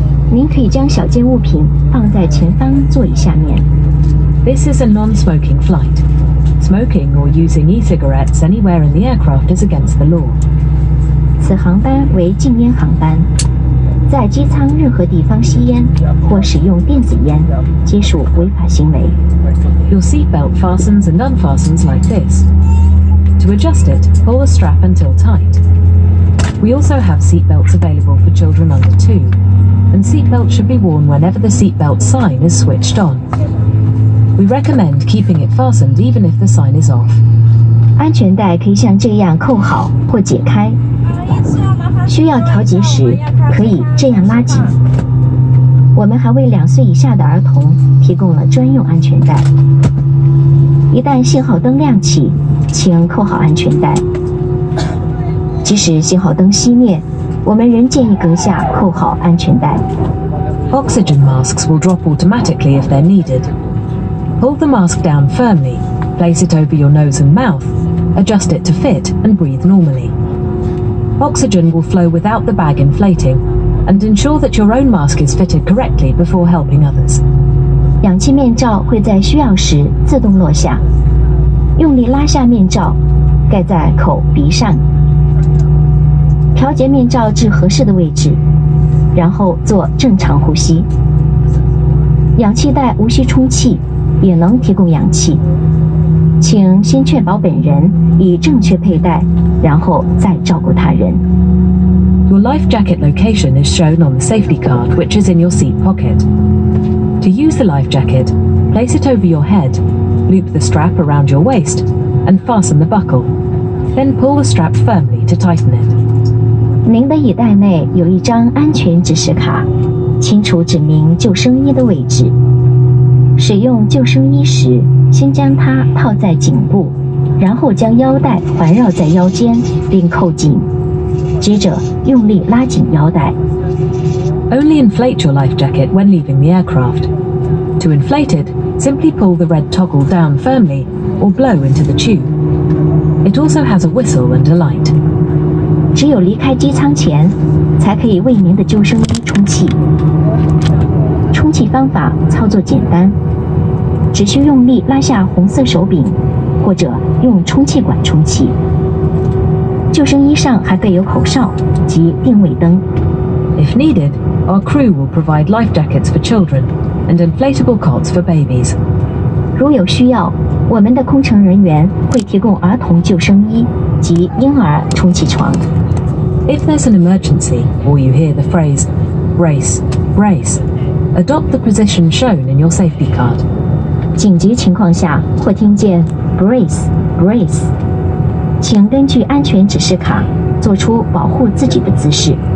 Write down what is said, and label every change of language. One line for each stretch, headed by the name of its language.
Chinese: 您可以将小件物品放在前方座椅下面。
English: This is a non-smoking flight. Smoking or using e-cigarettes anywhere in the aircraft is against the law.
Chinese: 此航班为禁烟航班。在机舱任何地方吸烟或使用电子烟，皆属违法行为。
English: Your seat belt fastens and unfastens like this. To adjust it, pull the strap until tight. We also have seat belts available for children under 2, and seat belts should be worn whenever the seat belt sign is switched on. We recommend keeping it fastened even if the sign is off.
Chinese: 安全带可以像这样扣好或解开。需要调节时可以这样拉紧。我们还为两岁以下的儿童提供了专用安全带。一旦信号灯亮起，请扣好安全带。即使信号灯熄灭，我们仍建议阁下扣好安全带。
English: Oxygen masks will drop automatically if they're needed. Hold the mask down firmly, place it over your nose and mouth, adjust it to fit and breathe normally. Oxygen will flow without the bag inflating, and ensure that your own mask is fitted correctly before helping others.
Chinese: 氧气面罩会在需要时自动落下。用力拉下面罩，盖在口鼻上。调节面罩至合适的位置，然后做正常呼吸。氧气袋无需充气，也能提供氧气。请先确保本人已正确佩戴，然后再照顾他人。
English: Your life jacket location is shown on the safety card, which is in your seat pocket. To use the life jacket, place it over your head, loop the strap around your waist, and fasten the buckle. Then pull the strap firmly to tighten it.
Chinese: 您的衣袋内有一张安全指示卡，清楚指明救生衣的位置。使用救生衣时，先将它套在颈部，然后将腰带环绕在腰间并扣紧，接着用力拉紧腰带。
English: Only inflate your life jacket when leaving the aircraft. To inflate it, simply pull the red toggle down firmly or blow into the tube. It also has a whistle and a light.
Chinese: 只有离开机舱前，才可以为您的救生衣充气。充气方法操作简单，只需用力拉下红色手柄，或者用充气管充气。救生衣上还备有口哨及定位灯。
English: If needed, our crew will provide life jackets for children and inflatable cots for babies.
Chinese: 如有需要，我们的空乘人员会提供儿童救生衣及婴儿充气床。
English: If there's an emergency or you hear the phrase "brace, brace," adopt the position shown in your safety card.
Chinese: 紧急情况下或听见
English: "brace, brace"，
Chinese: 请根据安全指示卡做出保护自己的姿势。